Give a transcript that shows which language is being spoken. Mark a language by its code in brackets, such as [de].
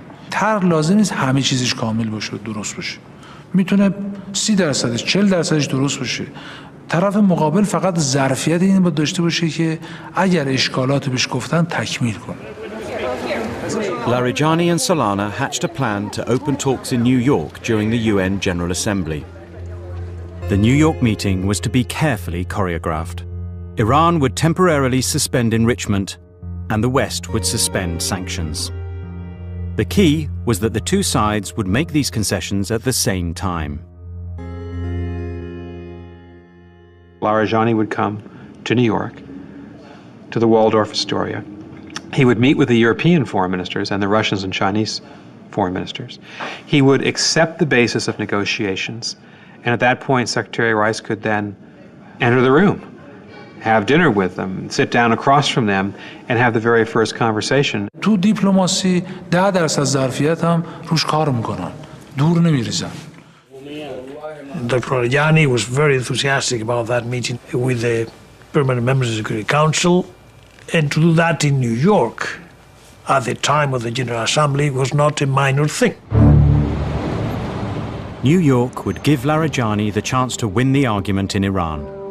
[fa] تر لازم نیست همه چیزش کامل باشه و درست باشه میتونه 30% 40% درست باشه طرف مقابل فقط ظرفیت این باید داشته باشه که اگر اشکالات بهش گفتن تکمیل کنه [en] Larijani and Solana hatched a plan to open talks in New York during the UN General Assembly. The New York meeting was to be carefully choreographed. Iran would temporarily suspend enrichment and the West would suspend sanctions. The key was that the two sides would make these concessions at the same time. Larijani would come to New York, to the Waldorf Astoria. He would meet with the European foreign ministers and the Russians and Chinese foreign ministers. He would accept the basis of negotiations, and at that point, Secretary Rice could then enter the room, have dinner with them, sit down across from them, and have the very first conversation. [fa] تو دیپلماسی 10% از ظرفیت هم روش کار میکنن. دور نمیریزن. [en] Dr. Larijani was very enthusiastic about that meeting with the permanent members of the Security Council. And to do that in New York at the time of the General Assembly was not a minor thing. New York would give Larijani the chance to win the argument in Iran.